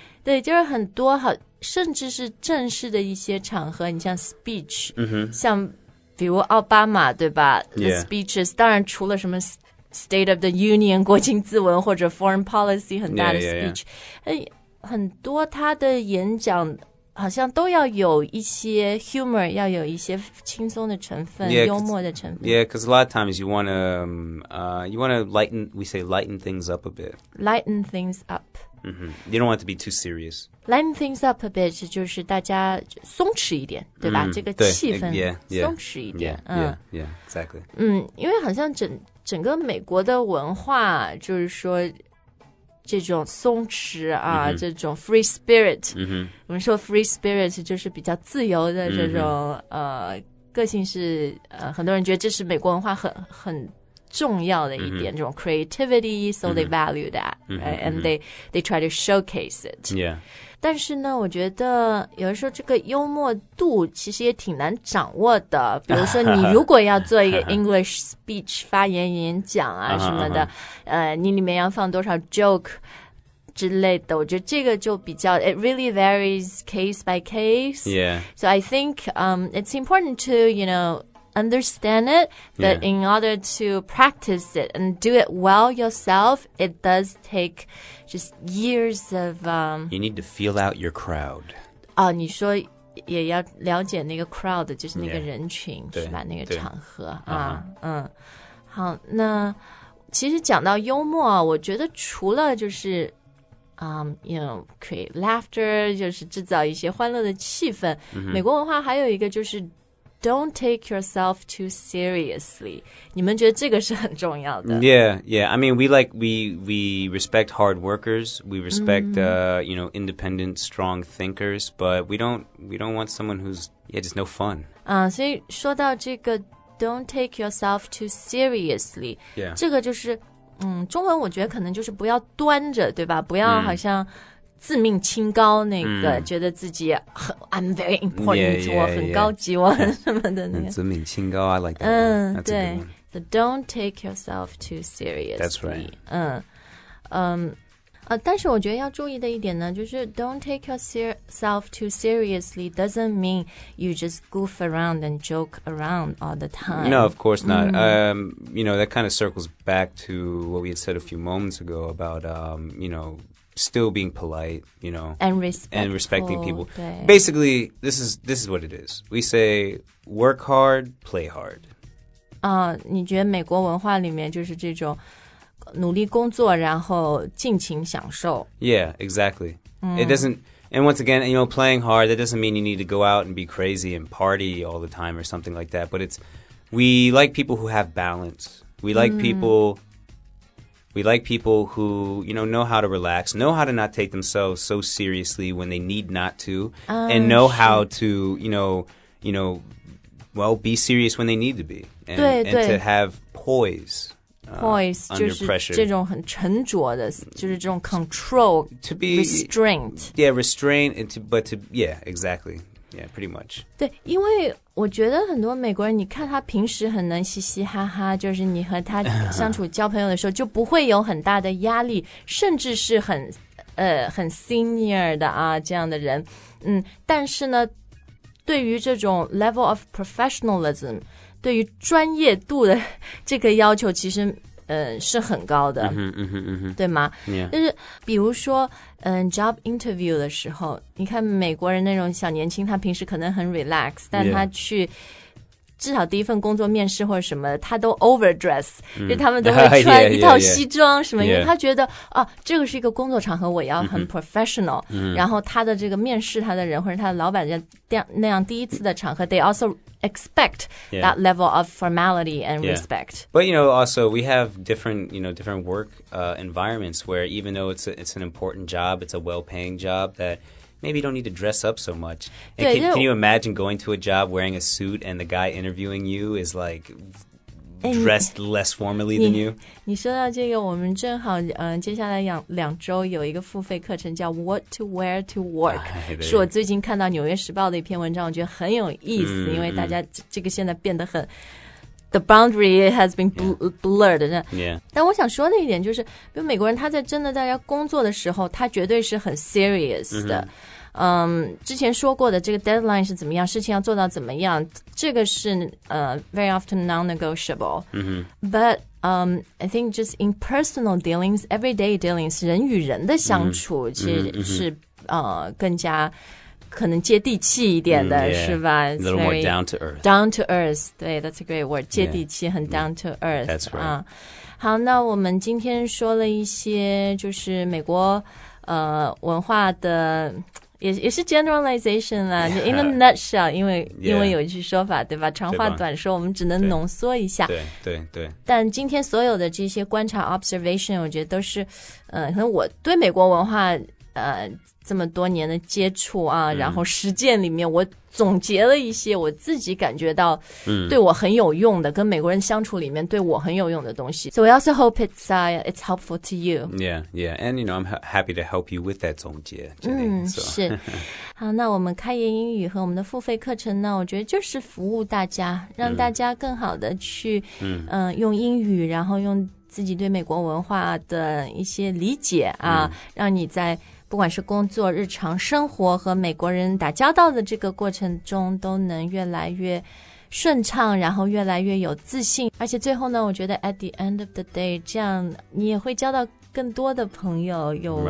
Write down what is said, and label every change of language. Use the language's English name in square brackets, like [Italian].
[Chinese] 对，就是很多好，甚至是正式的一些场合，你像 speech, 像比如奥巴马对吧 speeches 当然除了什么 state of the union 国情咨文或者 foreign policy 很大的 speech很多他的演讲好像都要有一些 humor 要有一些轻松的成分 幽默的成分 [English] yeah because a lot of times you want to you want to lighten we say lighten things up a bit lighten things up、 you don't want to be too serious Lighten things up a bit [Chinese] 就是大家松弛一点对吧、这个气氛松弛一点 [English] exactly [Chinese] 因为好像 整个美国的文化就是说这种松弛啊、这种 free spirit、我们说 free spirit 就是比较自由的这种、个性是、很多人觉得这是美国文化 很重要的一点、这种 creativity [English] so they value that、right? and they try to showcase it、 [Chinese] 但是呢我觉得有的时候这个幽默度其实也挺难掌握的比如说你如果要做一个 English speech 发言演讲啊什么的、你里面要放多少 joke 之类的我觉得这个就比较 [English] it really varies case by case、so I think、it's important to you knowunderstand it but in order to practice it and do it well yourself it does take just years of you need to feel out your crowd [Chinese] 哦、你说也要了解那个 crowd 就是那个人群、是吧那个场合啊、好那其实讲到幽默啊我觉得除了就是 [English] you know, create laughter [Chinese] 就是制造一些欢乐的气氛、美国文化还有一个就是 [English] Don't take yourself too seriously. [Chinese] 你们觉得这个是很重要的。 [English] Yeah, yeah. I mean, we like, we respect hard workers. We respect,、you know, independent, strong thinkers. But we don't want someone who's, yeah, just no fun. [Chinese] 所以说到这个 [English] don't take yourself too seriously. Yeah. [Chinese] 这个就是、中文我觉得可能就是不要端着对吧不要好像。自命清高那个、觉得自己很 [English] I'm very important yeah, yeah, [Chinese] 我很高级 [English] yeah, [Chinese] yeah. 我什么的那个 [English] 自命清高 I like that one、 That's a good one. So don't take yourself too seriously That's right [Chinese] 但是我觉得要注意的一点呢就是 [English] Don't take yourself too seriously Doesn't mean you just goof around and joke around all the time No of course not、you know that kind of circles back to what we had said a few moments ago about、you knowstill being polite, you know, and respecting people. Basically, this is what it is. We say work hard, play hard. [Chinese] 你觉得美国文化里面就是这种努力工作然后尽情享受。 [English] Yeah, exactly. It doesn't, and once again, you know, playing hard, that doesn't mean you need to go out and be crazy and party all the time or something like that, but it's, we like people who have balance. We like people... We like people who, you know how to relax, know how to not take themselves so seriously when they need not to, and know how to, you know, well, be serious when they need to be, and to have poise, poise under pressure. [Chinese] 这种很沉着的，就是这种 control, [English] to be, restraint. Yeah, restraint, and to, but to, yeah, exactly. Yeah, pretty much. [Chinese] 对，因为我觉得很多美国人，你看他平时很能嘻嘻哈哈，就是你和他相处交朋友的时候，就不会有很大的压力，甚至是很 senior 的啊这样的人。但是呢，对于这种 level of professionalism, 对于专业度的这个要求其实是很高的、 [English] mm-hmm, mm-hmm, mm-hmm. [Chinese] 对吗、 [English] yeah. [Chinese] 就是比如说job interview 的时候你看美国人那种小年轻他平时可能很 relax 但他去、 [English] yeah. [Chinese] 至少第一份工作面试或者什么他都 overdress、mm. 就他们都会穿一套西装什么 [English] yeah, yeah, yeah. [Chinese] 因为他觉得、yeah. 啊，这个是一个工作场合我要很 professional、 [English] mm-hmm. [Chinese] 然后他的这个面试他的人或者他的老板这样那样第一次的场合 [English] they also expect、 yeah. that level of formality and respect、 yeah. but you know also we have different you know different work、environments where even though it's an important job it's a well paying job thatMaybe you don't need to dress up so much. And can you imagine going to a job wearing a suit and the guy interviewing you is like dressed less formally than you? [Chinese] 你说到这个我们正好、接下来两周有一个付费课程叫 What to Wear to Work. 是我最近看到纽约时报的一篇文章我觉得很有意思、 [English] mm-hmm. [Chinese] 因为大家这个现在变得很 [English] The boundary has been blurred. Yeah. Yeah. [Chinese] 但我想说的一点就是比如美国人他在真的在工作的时候他绝对是很 serious 的。 [English] Mm-hmm. [Chinese] 之前说过的这个 deadline 是怎么样事情要做到怎么样这个是 [English] very often non-negotiable、 mm-hmm. but I think just in personal dealings everyday dealings [Chinese] 人与人的相处、 [English] mm-hmm. [Chinese] 其实是、 [English] mm-hmm. [Chinese] 更加可能接地气一点的、 [English] mm-hmm. [Chinese] 是吧 [English] a little more down to earth 对 that's a great word 接地气、 yeah. [Chinese] 很 down to earth [English] that's right、 [Chinese] 好那我们今天说了一些就是美国文化的也是 generalization 啦、 [English] yeah. in a nutshell 因为、 yeah. [Chinese] 因为有一句说法对吧长话短说我们只能浓缩一下对对 对但今天所有的这些观察 observation 我觉得都是可能我对美国文化这么多年的接触啊、嗯、然后实践里面我总结了一些我自己感觉到对我很有用的、嗯、跟美国人相处里面对我很有用的东西 [English] So I also hope it's helpful to you Yeah, yeah, and you know I'm happy to help you with that 总结 Jenny, [Chinese] 是好那我们开言英语和我们的付费课程呢我觉得就是服务大家让大家更好的去用英语然后用自己对美国文化的一些理解啊、让你在不管是工作日常生活和美国人打交道的这个过程中都能越来越顺畅然后越来越有自信而且最后呢我觉得 [English] at the end of the day [Chinese] 这样你也会交到更多的朋友有、